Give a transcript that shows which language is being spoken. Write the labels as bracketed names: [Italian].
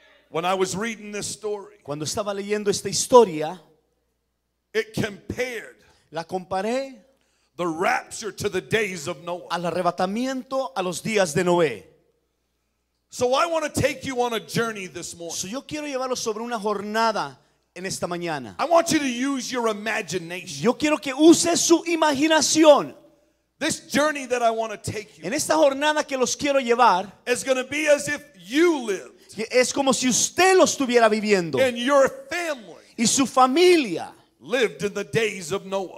[English] When I was reading this story, [Spanish] cuando estaba leyendo esta historia, [English] it compared, [Spanish] la comparé, [English] the rapture to the days of Noah, [Spanish] al arrebatamiento a los días de Noé. [English] So I want to take you on a journey this morning. [Spanish] So yo quiero llevarlo sobre una jornada en esta mañana. [English] I want you to use your imagination. [Spanish] Yo quiero que uses su imaginación. [English] This journey that I want to take you [Spanish] en esta jornada que los quiero llevar [English] is going to be as if you lived, [Spanish] es como si usted lo estuviera viviendo, [English] and your family, [Spanish] y su familia, [English] lived in the days of Noah,